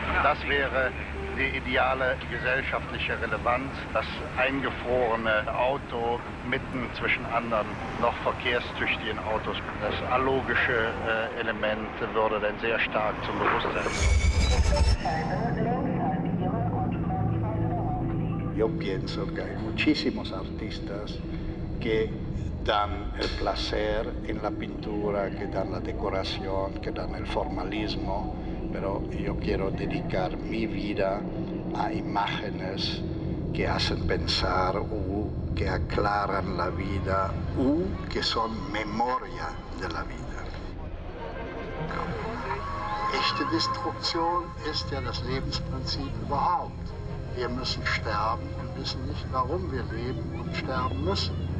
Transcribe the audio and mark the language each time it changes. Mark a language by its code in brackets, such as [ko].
[de] Das wäre die ideale gesellschaftliche Relevanz, das eingefrorene Auto mitten zwischen anderen noch verkehrstüchtigen Autos. Das allogische Element würde dann sehr stark zum Bewusstsein [es] Yo pienso que hay muchísimos artistas que dan el placer en la pintura, que dan la decoración, que dan el formalismo, pero yo quiero dedicar mi vida a imágenes que hacen pensar o que aclaran la vida o que son memoria de la vida. [de] Echte Destruktion ist ja das Lebensprinzip überhaupt. Wir müssen sterben und wissen nicht, warum wir leben und sterben müssen.